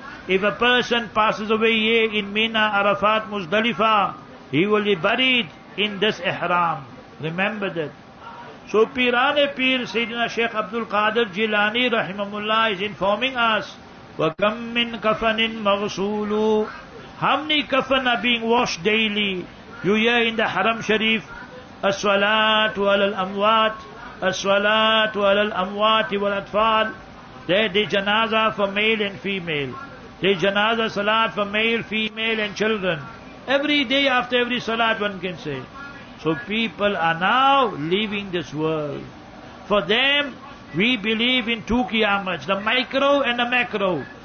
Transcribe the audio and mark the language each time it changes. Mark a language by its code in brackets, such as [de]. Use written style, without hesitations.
[en] If a person passes away here in Mina, Arafat, Muzdalifah, he will be buried in this ihram. Remember that. So Piran-e-Pir, Sayyidina Shaykh Abdul Qadir Jilani, Rahimahullah, is informing us, [ar] وَكَمْ مِنْ كَفَنٍ مَغْسُولُ. [en] How many kafan are being washed daily? You hear in the Haram Sharif, [ar] الصَّلَاةُ عَلَى الْأَمْوَاتِ, الصَّلَاةُ عَلَى الْأَمْوَاتِ وَالْأَطْفَالِ. [en] There the janaza for male and female. The janaza salat for male, female and children. Every day after every salat, one can say. So people are now leaving this world. For them, we believe in two qiyamats, the micro and the macro.